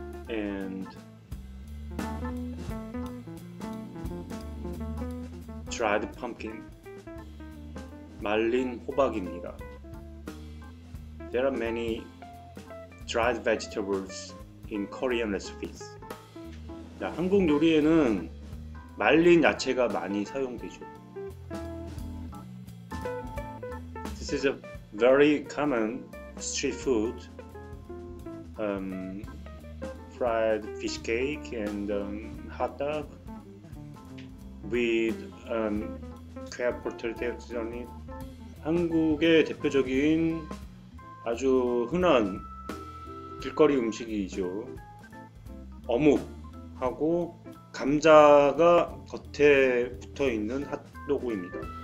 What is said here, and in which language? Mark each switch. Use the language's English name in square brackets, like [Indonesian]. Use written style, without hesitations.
[English] And dried pumpkin. [Korean] 말린 호박입니다. [English] There are many dried vegetables in Korean recipes. [Korean] 자, 한국 요리에는 말린 야채가 많이 사용되죠. [English] This is a very common street food, fried fish cake and hot dog with crab potatoes on it. [Korean] 한국의 대표적인 아주 흔한 길거리 음식이죠. 어묵하고 감자가 겉에 붙어 있는 핫도그입니다.